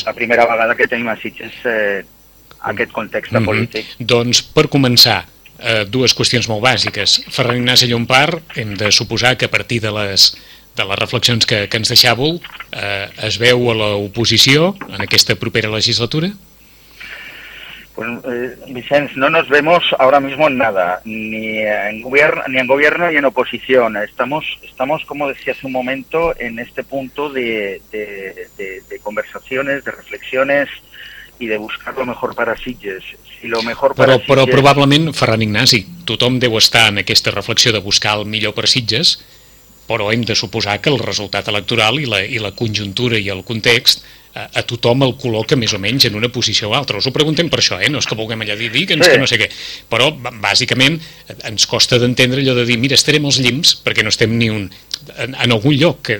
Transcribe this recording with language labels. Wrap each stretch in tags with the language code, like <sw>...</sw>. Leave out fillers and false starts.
<ca>és la primera vegada que tenim a Sitges aquest context polític. Doncs, per començar, dues qüestions molt bàsiques. Ferran Ignasi Llompart, hem de suposar que a partir de les reflexions que ens deixàveu, es veu a l'oposició en aquesta propera legislatura?</ca> <es>Pues, Vicenç, no nos vemos ahora mismo en nada, ni en gobierno ni en oposición. Estamos, como decía hace un momento, en este punto de conversaciones, de reflexiones y de buscar lo mejor para Sitges.</es> <ca>Però probablement, Ferran Ignasi, tothom deu estar en aquesta reflexió de buscar el millor per Sitges, però hem de suposar que el resultat electoral i la conjuntura i el context a tothom el col·loca més o menys en una posició o altra. Us ho preguntem per això, no és que vulguem allà dir que ens que no sé què, però bàsicament ens costa d'entendre allò de dir, mira, estarem als llims perquè no estem ni un... en algun lloc.</ca>